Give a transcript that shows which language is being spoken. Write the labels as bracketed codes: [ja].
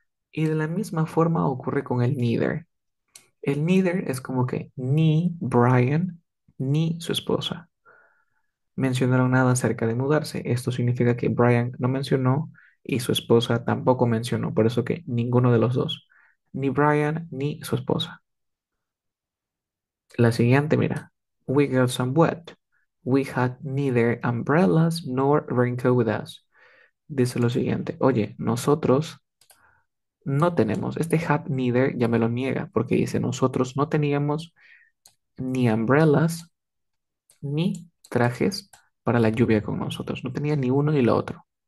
[es] Y de la misma forma ocurre con el neither. El neither es como que ni Brian ni su esposa mencionaron nada acerca de mudarse. Esto significa que Brian no mencionó y su esposa tampoco mencionó. Por eso que ninguno de los dos, ni Brian ni su esposa. La siguiente, mira. [en] We got some wet. We had neither umbrellas nor raincoat with us. [es] Dice lo siguiente, oye, nosotros no tenemos, este [en] had neither [es] ya me lo niega, porque dice, nosotros no teníamos ni umbrellas ni trajes para la lluvia con nosotros, no tenía ni uno ni lo otro.